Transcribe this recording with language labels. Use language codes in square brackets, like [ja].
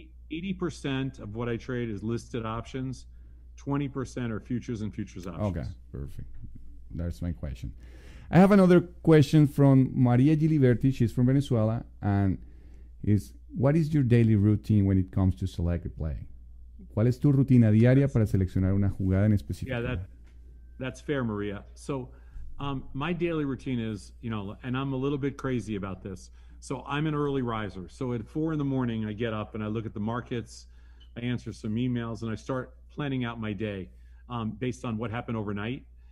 [en] 80% of what I trade is listed options. 20% are futures and futures options. Okay, perfect. That's my question. I have another question from Maria Giliberti. She's from Venezuela. And is what is your daily routine when it comes to select a play? [es] ¿Cuál es tu rutina diaria para seleccionar una jugada en específico? [en] Yeah, that's fair, Maria. So my daily routine is, you know, and I'm a little bit crazy about this. So I'm an early riser. So at 4 a.m, I get up and I look at the markets. I answer some emails and I start planning out my day based on what happened overnight.